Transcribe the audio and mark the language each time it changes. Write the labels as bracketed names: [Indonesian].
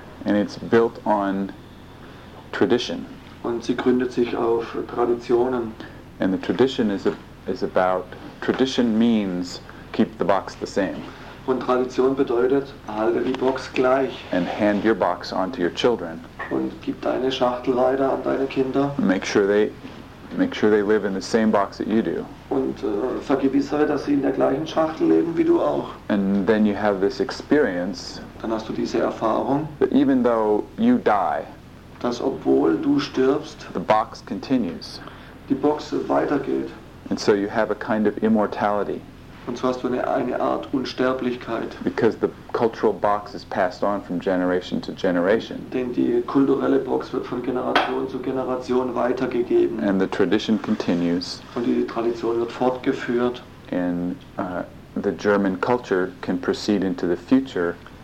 [English] And it's built on tradition. [German] Und sie gründet sich auf Traditionen. [English] And the tradition is about, tradition means keep the box the same. [German] Und Tradition bedeutet, halte die Box gleich. [English] And hand your box on to your children. [German] Und gib deine Schachtel weiter an deine Kinder. [English] Make sure they live in the same box that you do. [German] Und vergewissere, dass sie in der gleichen Schachtel leben wie du auch. [English] And then you have this experience. [German] Dann hast du diese Erfahrung. [English] That even though you die, [German] dass obwohl du stirbst, [English] the box continues. [German] Die Box weitergeht. [English] And so you have a kind of immortality. [German] Und so hast du eine Art Unsterblichkeit. [English] Because the cultural box is passed on from generation to generation. [German] Denn die kulturelle Box wird von Generation zu Generation weitergegeben. [English] And the tradition continues. [German] Und die Tradition wird fortgeführt. [English] And the German culture can proceed into the future.